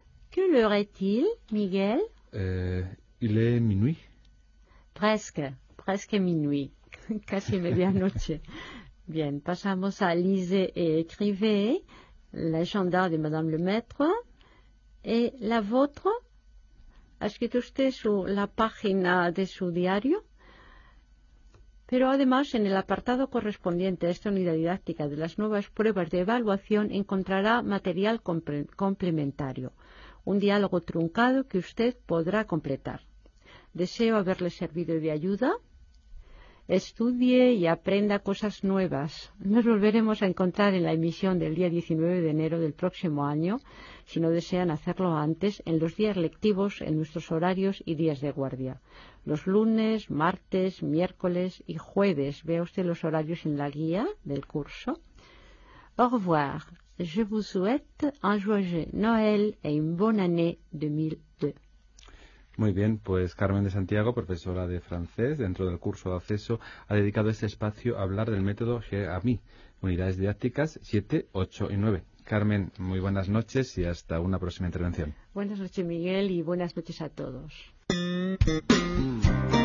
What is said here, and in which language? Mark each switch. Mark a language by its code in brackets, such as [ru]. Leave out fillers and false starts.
[fr] Quelle heure est-il, Miguel? Il est minuit. Presque minuit. [es] Casi medianoche. Bien, pasamos a [fr] lisez et écrivez. L'agenda de Madame le Maître. Et la vôtre? [es] Ha escrito usted sur la página de su diario. Pero además, en el apartado correspondiente a esta unidad didáctica de las nuevas pruebas de evaluación, encontrará material complementario. Un diálogo truncado que usted podrá completar. Deseo haberle servido de ayuda. Estudie y aprenda cosas nuevas. Nos volveremos a encontrar en la emisión del día 19 de enero del próximo año, si no desean hacerlo antes, en los días lectivos, en nuestros horarios y días de guardia. Los lunes, martes, miércoles y jueves. Vea usted los horarios en la guía del curso. [fr] Au revoir. Je vous souhaite un joyeux Noël et une bonne année 2002. [es] Muy bien, pues Carmen de Santiago, profesora de francés, dentro del curso de acceso, ha dedicado este espacio a hablar del método GAMI, unidades didácticas 7, 8 y 9. Carmen, muy buenas noches y hasta una próxima intervención. Buenas noches, Miguel, y buenas noches a todos.